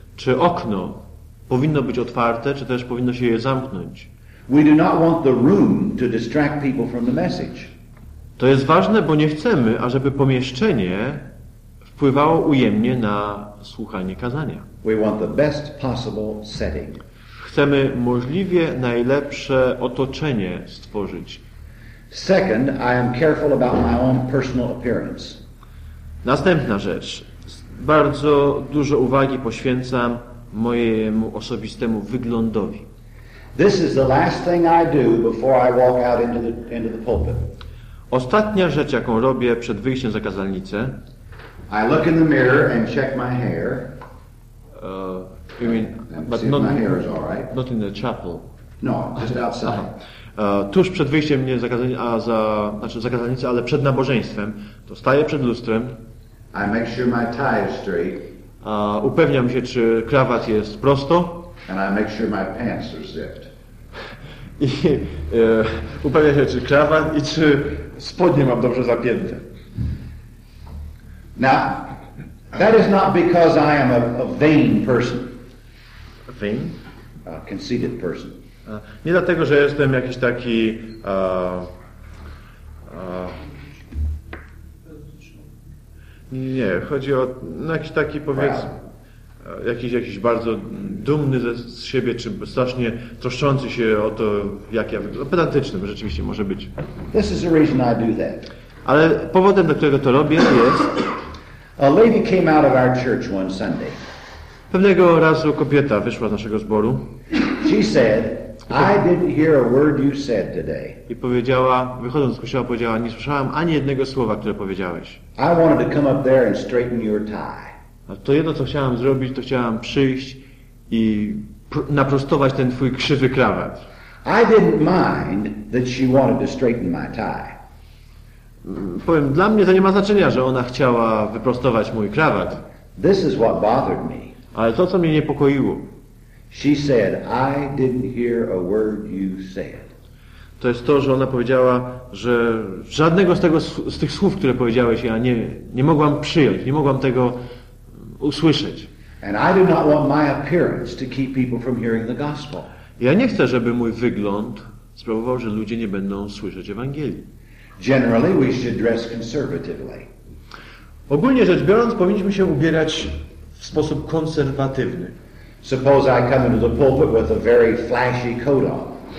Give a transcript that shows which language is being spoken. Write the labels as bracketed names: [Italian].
[Polish] Czy okno powinno być otwarte, czy też powinno się je zamknąć? [English] We do not want the room to distract people from the message. [Polish] To jest ważne, bo nie chcemy, ażeby pomieszczenie wpływało ujemnie na słuchanie kazania. [English] We want the best possible setting. [Polish] Chcemy możliwie najlepsze otoczenie stworzyć. [English] Second, I am careful about my own personal appearance. [Polish] Następna rzecz. Bardzo dużo uwagi poświęcam mojemu osobistemu wyglądowi. [English] This is the last thing I do before I walk out into the pulpit. [Polish] Ostatnia rzecz, jaką robię przed wyjściem za kazalnicę. [English] I look in the mirror and check my hair. You mean, but see not, if my hair is all right. Not in the chapel. No, just outside. Aha. [Polish] Tuż przed wyjściem mnie za kazalnicę, ale przed nabożeństwem, to staję przed lustrem. [English] I make sure my tie is straight. [Polish] Upewniam się, czy krawat jest prosto. [English] And I make sure my pants are zipped. [Polish] I upewniam się, czy krawat i czy spodnie mam dobrze zapięte. [English] Now, that is not because I am a vain person. A vain? A conceited person. [Polish] Nie dlatego, że jestem jakiś taki nie, chodzi o jakiś taki, powiedzmy, jakiś bardzo dumny ze z siebie, czy strasznie troszczący się o to, jak ja wyglądam. Pedantycznym rzeczywiście może być. [English] This is the reason I do that. [Polish] Ale powodem, do którego to robię, jest... [English] A lady came out of our church one Sunday. [Polish] Pewnego razu kobieta wyszła z naszego zboru. [English] She said, I didn't hear a word you said today. [Polish] I powiedziała, wychodząc z kościoła, powiedziała, nie słyszałam ani jednego słowa, które powiedziałeś. [English] I wanted to come up there and straighten your tie. [Polish] A to jedno, co chciałam zrobić, to chciałam przyjść i naprostować ten twój krzywy krawat. [English] I didn't mind that she wanted to straighten my tie. [Polish] Powiem, dla mnie to nie ma znaczenia, że ona chciała wyprostować mój krawat. [English] This is what bothered me. [Polish] Ale to, co mnie niepokoiło. [English] She said, I didn't hear a word you said. [Polish] To jest to, że ona powiedziała, że żadnego z tych słów, które powiedziałeś, ja nie mogłam przyjąć, nie mogłam tego usłyszeć. [English] And I do not want my appearance to keep people from hearing the gospel. [Polish] Ja nie chcę, żeby mój wygląd sprawował, że ludzie nie będą słyszeć Ewangelii. [English] Generally we should dress conservatively. [Polish] Ogólnie rzecz biorąc, powinniśmy się ubierać w sposób konserwatywny. [English] Suppose I come into the pulpit with a very flashy coat on.